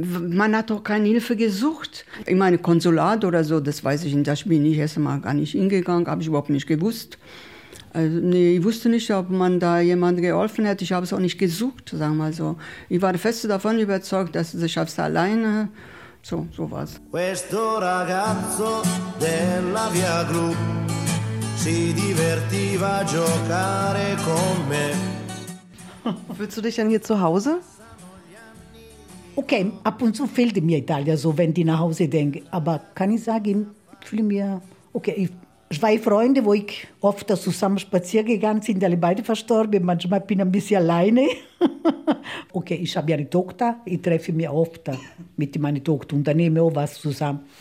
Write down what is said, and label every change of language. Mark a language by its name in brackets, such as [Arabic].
[German] Man hat auch keine Hilfe gesucht. Ich meine, Konsulat oder so, das weiß ich nicht. Da bin ich erst mal gar nicht hingegangen, habe ich überhaupt nicht gewusst. Also, nee, ich wusste nicht, ob man da jemandem geholfen hätte. Ich habe es auch nicht gesucht, sagen wir mal so. Ich war fest davon überzeugt, dass ich es schaffe alleine. So, so war es. [Italian] Questo ragazzo della Via Gru si divertiva a giocare con me. [German] Fühlst du dich denn hier zu Hause? Okay, ab und zu fehlt mir Italien, so wenn ich nach Hause denke. Aber kann ich sagen, fühle mir okay. Zwei Freunde, wo ich oft zusammen spazieren gegangen sind, alle beide verstorben. Manchmal bin ich ein bisschen alleine. Okay, ich habe eine Tochter, ich treffe mich oft mit meiner Tochter und dann nehme auch was zusammen.